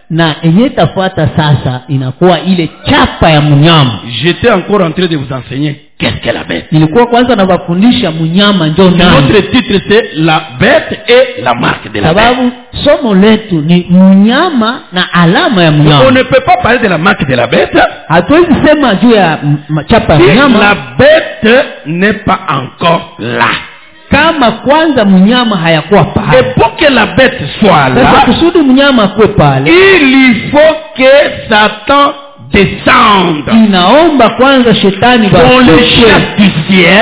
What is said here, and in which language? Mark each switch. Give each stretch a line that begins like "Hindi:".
Swahili: Na enye tafuata sasa inakuwa ile chapa ya mnyama.
French: J'étais encore en train de vous enseigner qu'est-ce que la bête.
Swahili: Nilikuwa kwanza na wafundisha mnyama ndio nani.
French: Notre titre c'est la bête et la marque de la bête.
Swahili: Sababu somo letu ni mnyama na alama ya mnyama.
French: On ne peut pas parler de la marque de la bête.
Swahili: Hatuwezi sema juu ya chapa ya mnyama.
French: La bête n'est pas encore là.
Swahili: Kama kwanza mnyama hayakuwa pale.
French: Et pour que la bête soit là.
Swahili: Sasa kusudi mnyama akuwe pale.
French: Il faut que Satan descende.
Swahili: Inaomba kwanza shetani baadaye.